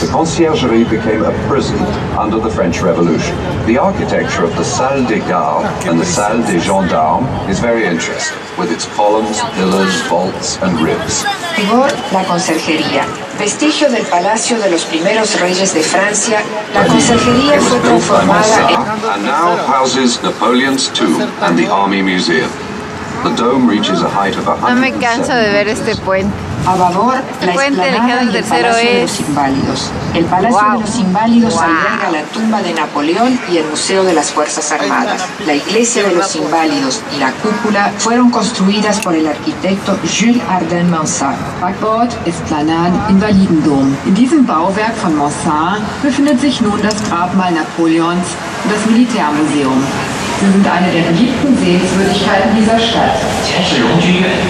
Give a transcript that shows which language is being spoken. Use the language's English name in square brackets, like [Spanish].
[English] The conciergerie became a prison under the French Revolution. The architecture of the Salle des Gardes and the Salle des Gendarmes is very interesting, with its columns, pillars, vaults, and ribs. [Spanish] La conciergería, vestigio del palacio de los primeros reyes de Francia, la conciergería fue transformada en... [English] And now houses Napoleon's tomb and the Army Museum. The dome reaches a height of 107 [Spanish] meters. No me canso de ver este puente. A babor, este la puente elegido del cero es... de los inválidos. El Palacio de los Inválidos alberga la tumba de Napoleón y el Museo de las Fuerzas Armadas. La iglesia de los Inválidos y la cúpula fueron construidas por el arquitecto Jules Ardan Mansart. [German] Backbord, Esplanade, Invalidendom. In diesem Bauwerk von Mansart befindet sich nun das Grabmal Napoleons, das Militärmuseum. Sie sind eine der beliebten Sehenswürdigkeiten dieser Stadt.